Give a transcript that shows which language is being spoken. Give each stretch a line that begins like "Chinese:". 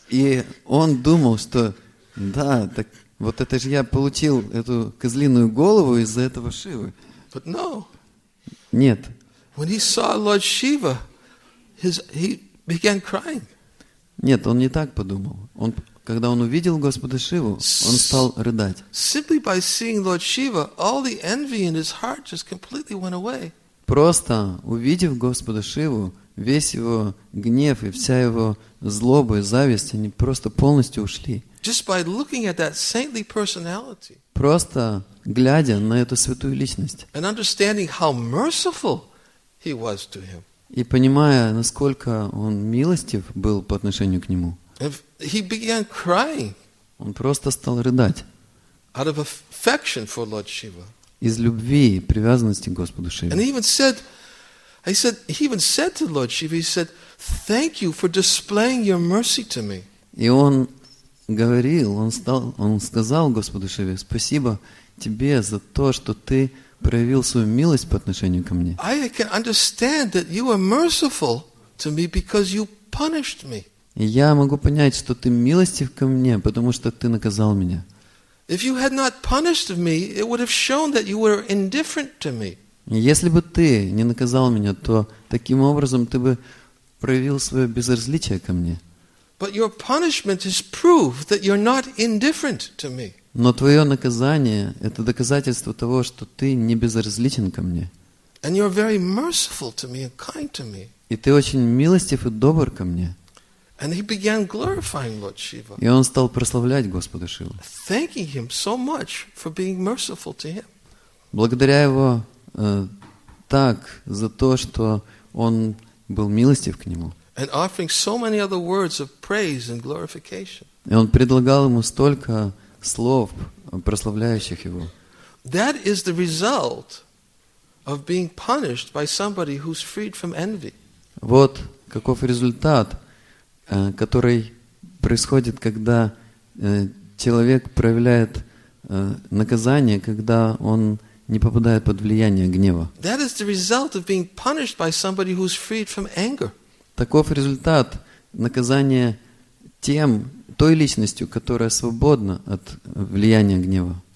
Russian: И он думал, что да, так вот это же я получил эту козлиную голову из-за этого Шивы.
English: But no.
Russian: Нет.
English: When he saw Lord Shiva, he began crying.
Russian: Нет, он не так подумал. Он, когда он увидел Господа Шиву, он стал рыдать.
English: Simply by seeing Lord Shiva, all the envy in his heart just completely went away.
Russian: Просто увидев Господа Шиву, весь его гнев и вся его злоба и зависть, они просто полностью ушли.
English: Just by looking at that saintly personality.
Russian: Просто глядя на эту святую личность.
English: And understanding how merciful he was to him.
Russian: И понимая, насколько он милостив был по отношению к нему.
English: He began crying.
Russian: Он просто стал рыдать.
English: Out of affection for Lord Shiva.
Russian: Из любви и привязанности к Господу Шиве.
English: And he even said to Lord Shiva, he said, "Thank you for displaying your mercy to me."
Russian: И он говорил, он сказал Господу Шиве, "Спасибо тебе за то, что ты проявил свою милость по отношению ко мне."
English: I can understand that you are merciful to me because you punished me.
Russian: Я могу понять, что ты милостив ко мне, потому что ты наказал меня.
English: If you had not punished me, it would have shown that you were indifferent to me.
Russian: Если бы ты не наказал меня, то таким образом ты бы проявил свое безразличие ко мне.
English: But your punishment is proof that you're not indifferent to me.
Russian: Но твое наказание – это доказательство того, что ты не безразличен ко мне.
English: And you're very merciful to me and kind to me.
Russian: И ты очень милостив и добр ко мне.
English: And he began glorifying Lord Shiva.
Russian: И он стал прославлять Господа Шиву.
English: Thanking him so much for being merciful to him.
Russian: Благодаря его так за то, что он был милостив к нему.
English: And offering so many other words of praise and glorification.
Russian: И он предлагал ему столько слов, прославляющих его.
English: That is the result of being punished by somebody who's freed from envy.
Russian: Вот каков результат, который происходит, когда человек проявляет наказание, когда он не попадает под влияние гнева.
English: That is the result of being punished by somebody who's freed from anger.
Russian: Таков результат наказания тем, той личностью, которая свободна от влияния гнева.